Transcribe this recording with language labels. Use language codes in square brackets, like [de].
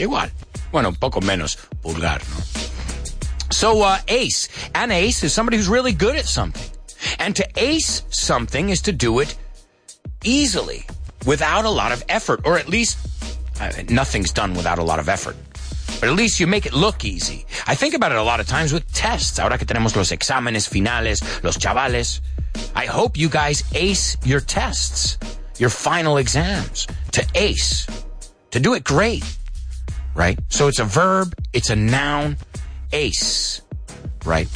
[es] Igual. Bueno, un poco menos vulgar, ¿no? So, ace. [en] An ace is somebody who's really good at something. And to ace something is to do it easily, without a lot of effort, or at least, nothing's done without a lot of effort. But at least you make it look easy. I think about it a lot of times with tests. [es] Ahora que tenemos los exámenes finales, los chavales. [en] I hope you guys ace your tests, your final exams, to ace, to do it great, right? So it's a verb, it's a noun, ace, right?